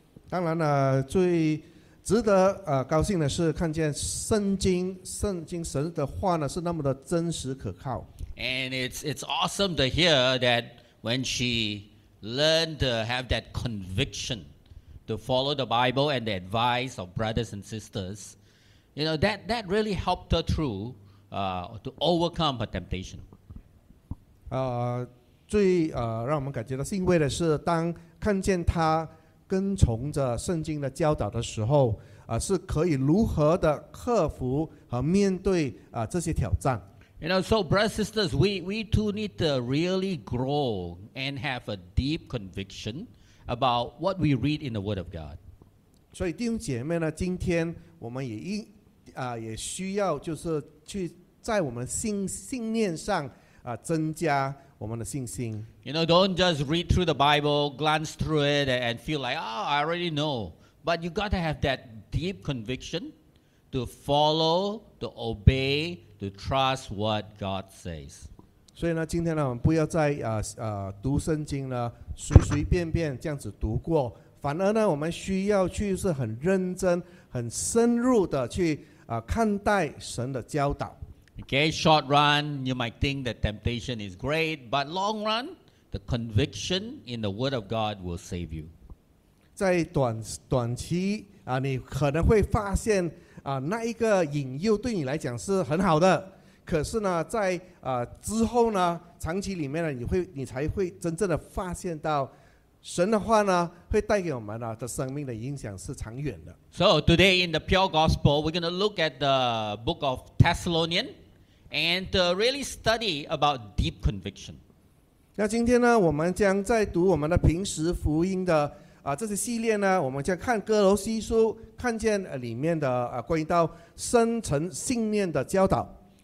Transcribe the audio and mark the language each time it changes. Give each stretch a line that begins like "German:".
Chinese: 当然了，最值得高兴的是看见圣经神的话呢是那么的真实可靠。
English: And it's awesome to hear that when she learned to have that conviction. To follow the Bible and the advice of brothers and sisters, you know, that really helped her through to overcome her temptation.
Chinese: 让我们感觉到欣慰的是，当看见她跟从着圣经的教导的时候，是可以如何的克服和面对这些挑战。
English: You know, so brothers and sisters, we too need to really grow and have a deep conviction. About what we read in the Word of God.
Chinese: 所以弟兄姐妹呢，今天我们也需要就是去在我们信念上增加我们的信心。
English: You know, don't just read through the Bible, glance through it, and feel like, oh, I already know. But you got to have that deep conviction to follow, to obey, to trust what God says.
Chinese: 所以呢，今天呢，我们不要再读圣经呢，随便这样子读过，反而呢，我们需要去是很认真、很深入的去看待神的教导。
English: Okay, short run, you might think the temptation is great, but long run, the conviction in the Word of God will save you.
Chinese: 在短期你可能会发现那一个引诱对你来讲是很好的。可是呢，在之后呢，长期里面呢，你才会真正的发现到，神的话呢，会带给我们的生命的影响是长远的。
English: So today in the Pure Gospel, we're going to look at the book of Thessalonians and to really study about deep conviction.
Chinese: 那今天呢，我们将在读我们的平时福音的这些系列呢，我们将看哥罗西书，看见里面的关于到深层信念的教导。